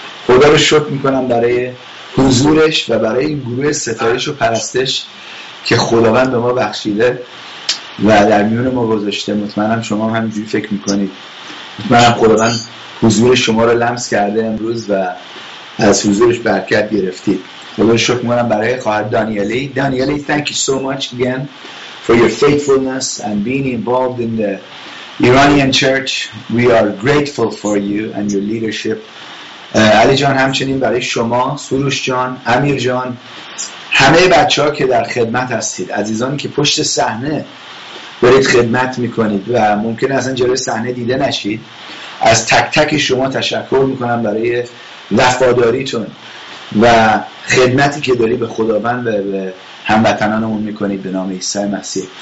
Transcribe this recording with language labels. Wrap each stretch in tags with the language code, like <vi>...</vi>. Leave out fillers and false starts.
<fa>خدا رو شکر میکنم برای حضورش و برای این گروه ستایش و پرستش که خداوند به ما بخشیده و در میون ما گذاشته. مطمئنم شما هم همینجوری فکر میکنید. مطمئنم خداوند حضور شما رو لمس کرده امروز و از حضورش برکت گرفتید. خدا رو شکر میکنم برای خواهر دانیلی.</fa> <en>دانیلی، thank you so much again for your faithfulness and being involved in the Iranian church. We are grateful for you and your leadership.</en> <fa>علی جان، همچنین برای شما، سروش جان، امیر جان، همه بچه‌ها که در خدمت هستید، عزیزانی که پشت صحنه دارید خدمت میکنید و ممکن اصلا جلوی صحنه دیده نشید، از تک تک شما تشکر میکنم برای وفاداریتون و خدمتی که داری به خداوند و به هموطنانمون میکنید به نام عیسی مسیح.</fa>